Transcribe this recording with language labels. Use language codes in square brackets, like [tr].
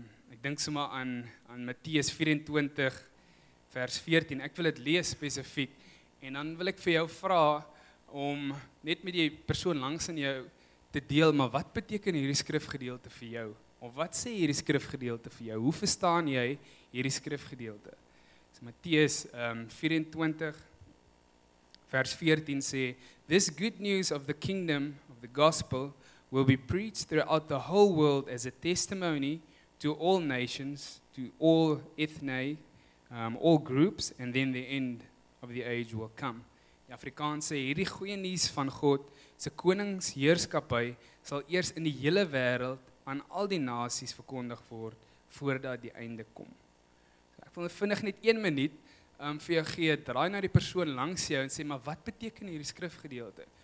[af] Ek dink sommer aan Matteus 24 vers 14. Ek wil dit lees spesifiek en dan wil ek vir jou vra om net met die persoon langs in jou te deel, maar wat beteken hierdie skrifgedeelte vir jou? Of wat sê hierdie skrifgedeelte vir jou? Hoe verstaan jy hierdie skrifgedeelte? So Matteus 24 vers 14 sê, [en] this good news of the kingdom of the gospel will be preached throughout the whole world as a testimony to all nations, to all ethne, all groups, and then the end of the age will come. [af] Die Afrikaans sê, hierdie goeie nuus van God, se koningsheerskappy, sal eers in die hele wêreld aan al die nasies verkondig word, voordat die einde kom. So ek wil vinnig net 1 minuut vir jou gee, draai na die persoon langs jou en sê, maar wat beteken hierdie skrifgedeelte?